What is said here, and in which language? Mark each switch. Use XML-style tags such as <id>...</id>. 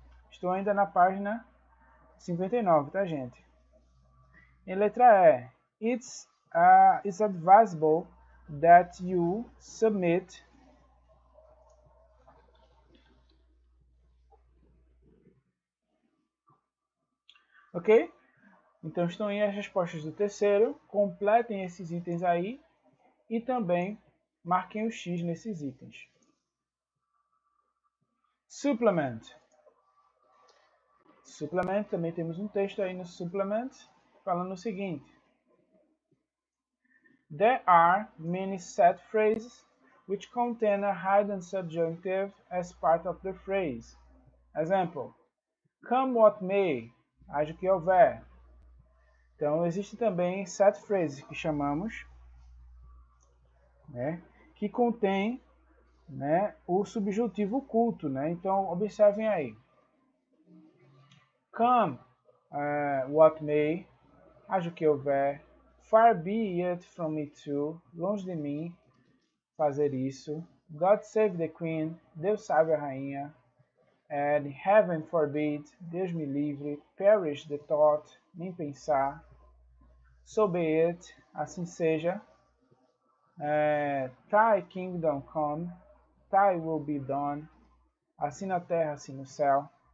<pt>Estou ainda na página 59, tá, gente? Em letra E,</pt> <en>it's advisable that you submit ok?</en> <pt>Então estão aí as respostas do terceiro, completem esses itens aí e também marquem o X nesses itens. Supplement. Supplement, também temos um texto aí no supplement, falando o seguinte.</pt> <en>There are many set phrases which contain a hidden subjunctive as part of the phrase. Example. Come what may.</en> <pt>Haja o que houver. Então, existem também set phrases que chamamos, né? Que contém, né, o subjuntivo oculto, né? Então, observem aí.</pt> <en>Come, what may,</en> <pt>haja o que houver,</pt> <en>far be it from me to,</en> <pt>longe de mim, fazer isso,</pt> <en>God save the queen,</en> <pt>Deus salve a rainha,</pt> <en>and heaven forbid,</en> <pt>Deus me livre,</pt> <en>perish the thought,</en> <pt>nem pensar,</pt> <en>so be it,</en> <pt>assim seja,</pt> <en>thy kingdom come, thy will be done,</en> <pt>assim na terra, assim no céu.</pt>